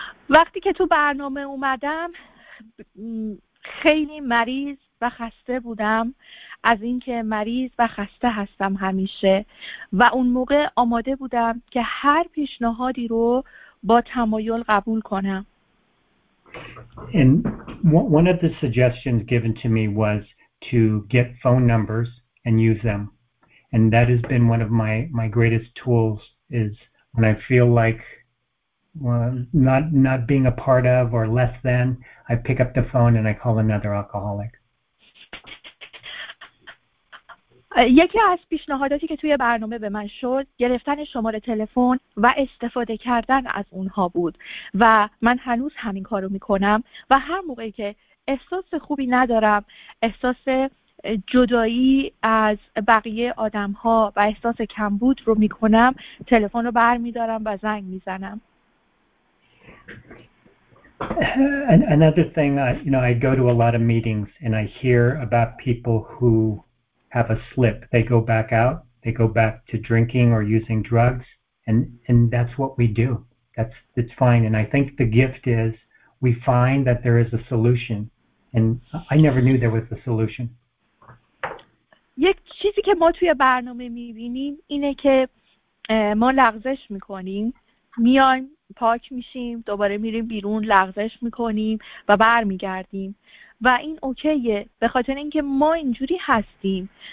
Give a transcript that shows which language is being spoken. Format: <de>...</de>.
<fa>وقتی که تو برنامه اومدم خیلی مریض و خسته بودم از اینکه مریض و خسته هستم همیشه و اون موقع آماده بودم که هر پیشنهادی رو با تمایل قبول کنم.</fa> <en>And one of the suggestions given to me was to get phone numbers and use them. And that has been one of my greatest tools is when I feel like not being a part of or less than, I pick up the phone and I call another alcoholic.</en> <fa>یکی از پیشنهاداتی که توی برنامه به من شد گرفتن شماره تلفن و استفاده کردن از اونها بود و من هنوز همین کارو میکنم و هر موقعی که احساس خوبی ندارم، احساس جدایی از بقیه آدمها و احساس کمبود رو میکنم، تلفن رو برمیدارم و زنگ میزنم.</fa> <en>Another thing, you know, I go to a lot of meetings and I hear about people who have a slip. They go back out, they go back to drinking or using drugs, and that's what we do. It's fine. And I think the gift is we find that there is a solution. And I never knew there was a solution.</en> <fa>یک چیزی که ما توی برنامه می‌بینیم اینه که ما لغزش می‌کنیم، میایم پاک میشیم، دوباره میریم بیرون، لغزش می‌کنیم و برمیگردیم. و این اوکیه به خاطر اینکه ما اینجوری هستیم.</fa>